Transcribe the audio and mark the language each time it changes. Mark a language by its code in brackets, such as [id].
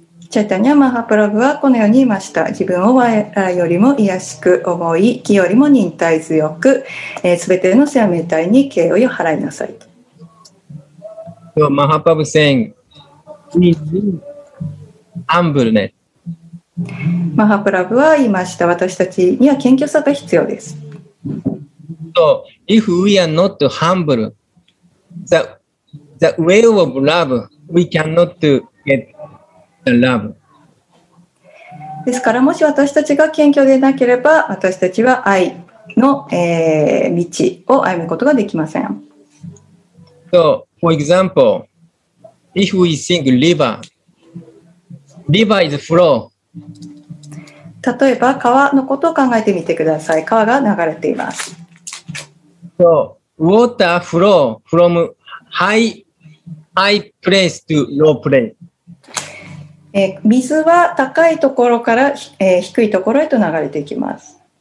[ja] チャイタニア・マハプラブはこのように言いました。自分を我らよりも卑しく思い、木よりも忍耐強く、すべての生命体に敬意を払いなさいと。 [en] So, マハプラブ saying, humbleness. [ja] マハプラブは言いました。私たちには謙虚さが必要です。 [en] So, if we are not humble, the way of love, we cannot getLove. [ja] ですからもし私たちが謙虚でなければ私たちは愛の、道を歩むことができません。 [en] So, for example, if we think river, river is flow. [ja] 例えば川のことを考えてみてください。川が流れています。 [en] So, water flow from high, high place to low place. [ja] 水は高いところから、低いところへと流れていきます。